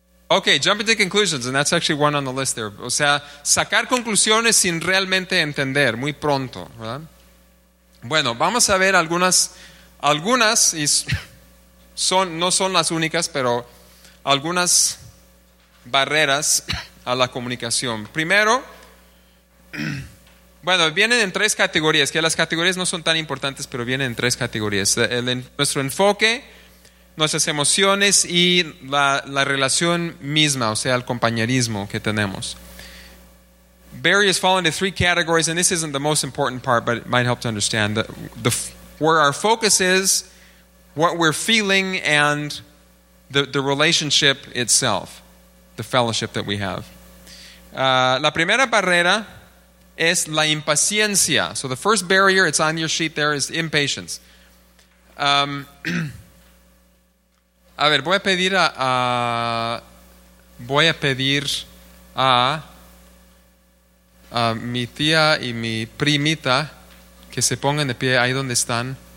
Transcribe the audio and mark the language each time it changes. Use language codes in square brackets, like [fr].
[en] Okay, jumping to conclusions, and that's actually one on the list there. [es] O sea, sacar conclusiones sin realmente entender, muy pronto, ¿verdad? Bueno, vamos a ver algunas y no son las únicas, pero algunas barreras a la comunicación. Primero, bueno, vienen en tres categorías, que las categorías no son tan importantes, pero vienen en tres categorías. Nuestro enfoque, nuestras emociones y la relación misma, o sea, el compañerismo que tenemos. [en] Barriers fall into three categories, and this isn't the most important part, but it might help to understand. Where our focus is, what we're feeling, and the relationship itself, the fellowship that we have. [es] La primera barrera es la impaciencia. [en] So the first barrier, it's on your sheet there, is impatience. [es] A ver, voy a pedir a mi tía y mi primita que se pongan de pie ahí donde están.